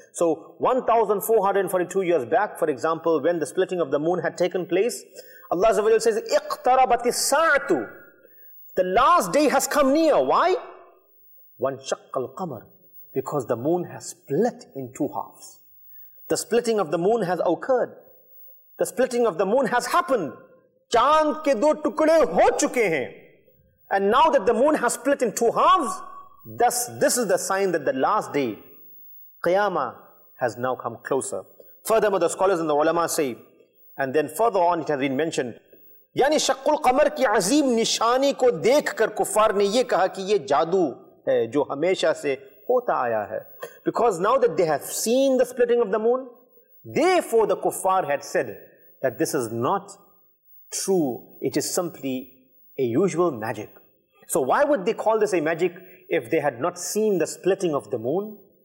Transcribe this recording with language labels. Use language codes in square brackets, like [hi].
[en] So, 1442 years back, for example, when the splitting of the moon had taken place, Allah Azza wa Jalla says, [ar] اقْتَرَبَتِ السَّاعَةُ. [en] The last day has come near. Why? [ar] وَانشَقَّ الْقَمَرُ. [en] Because the moon has split in two halves. The splitting of the moon has occurred. The splitting of the moon has happened. [ur] چاند کے دو ٹکڑے ہو چکے ہیں. [en] And now that the moon has split in two halves, thus this is the sign that the last day, قیامہ, has now come closer. Furthermore, the scholars and the علماء say, and then further on it has been mentioned, [ur] یعنی شق القمر کی عظیم نشانی کو دیکھ کر کفار نے یہ کہا کہ یہ جادو ہے جو ہمیشہ سے ہوتا آیا ہے. [en] Because now that they have seen the splitting of the moon, therefore the kuffar had said that this is not true, it is simply a usual magic. So why would they call this a magic if they had not seen the splitting of the moon?